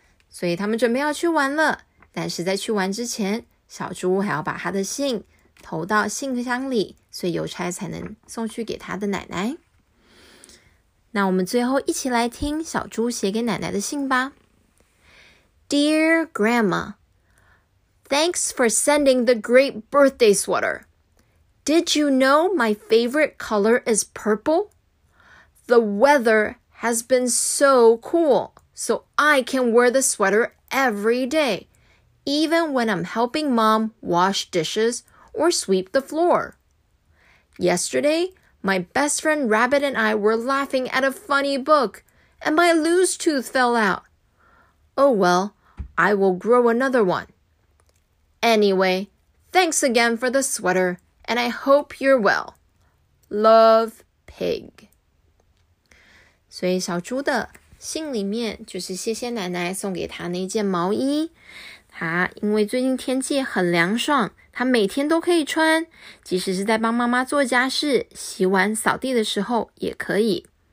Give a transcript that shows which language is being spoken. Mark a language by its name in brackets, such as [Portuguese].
[Chinese] 所以他们准备要去玩了，但是在去玩之前，小猪还要把他的信投到信箱里，所以邮差才能送去给他的奶奶。那我们最后一起来听小猪写给奶奶的信吧。 [English] Dear Grandma, Thanks for sending the great birthday sweater. Did you know my favorite color is purple? The weather has been so cool. So I can wear the sweater every day, even when I'm helping mom wash dishes or sweep the floor. Yesterday, my best friend Rabbit and I were laughing at a funny book, and my loose tooth fell out. Oh well, I will grow another one. Anyway, thanks again for the sweater, and I hope you're well. Love, Pig. [Chinese] 所以小猪的信里面就是谢谢奶奶送给他那件毛衣。他因为最近天气很凉爽，他每天都可以穿，即使是在帮妈妈做家事、洗碗、扫地的时候也可以。